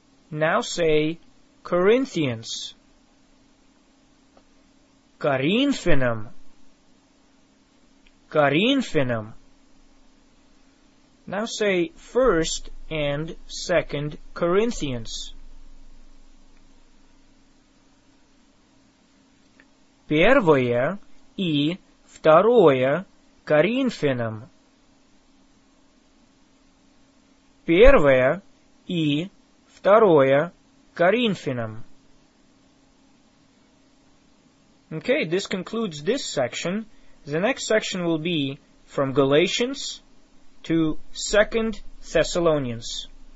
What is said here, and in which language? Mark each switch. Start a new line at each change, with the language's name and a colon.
English: Now say Corinthians.
Russian: Коринфянам. Коринфянам.
English: Now say first and second Corinthians.
Russian: Первое и второе Коринфянам. Первое и второе Коринфянам.
English: Okay, this concludes this section. The next section will be from Galatians to 2 Thessalonians.